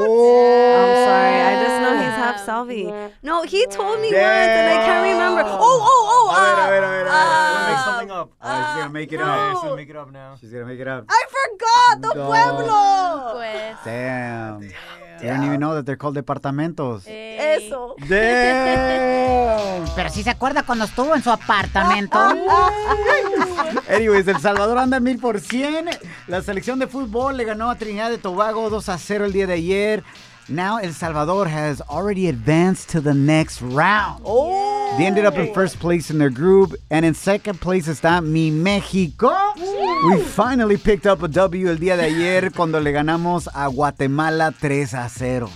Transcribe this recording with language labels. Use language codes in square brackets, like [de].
[en] Yeah. I'm sorry. I just know he's half Salvi. No, he told me words and I can't remember. Oh. She's gonna make it up now. I forgot the pueblo. Damn. They don't even know that they're called departamentos. [es] Hey. Eso. [en] Damn. [es] Pero si se acuerda cuando estuvo en su apartamento. Anyways, El Salvador anda 1,000%. La selección de fútbol le ganó a Trinidad de Tobago 2-0 el día de ayer. [en] Now El Salvador has already advanced to the next round. Oh. They ended up in first place in their group. And in second place is that mi México. Yeah. We finally picked up a W [es] el día de ayer cuando le ganamos a Guatemala 3-0.